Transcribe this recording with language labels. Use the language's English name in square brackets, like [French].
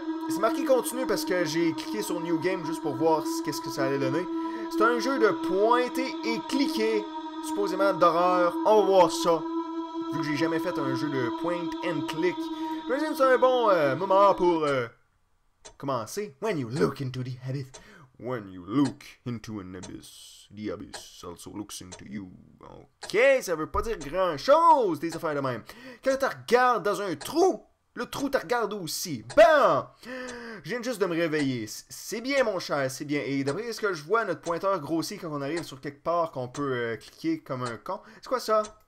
[French] C'est marqué continue parce que j'ai cliqué sur New Game juste pour voir qu'est-ce que ça allait donner. C'est un jeu de pointer et cliquer, supposément d'horreur. On va voir ça, vu que j'ai jamais fait un jeu de point and click. J'imagine que c'est un bon moment pour... Commencez. [English] When you look into the abyss. When you look into an abyss, the abyss also looks into you. [French] Ok, ça veut pas dire grand chose, des affaires de même. Quand tu regardes dans un trou, le trou te regarde aussi. Bam! Je viens juste de me réveiller. C'est bien, mon cher, c'est bien. Et d'après ce que je vois, notre pointeur grossit quand on arrive sur quelque part qu'on peut cliquer comme un con. C'est quoi ça?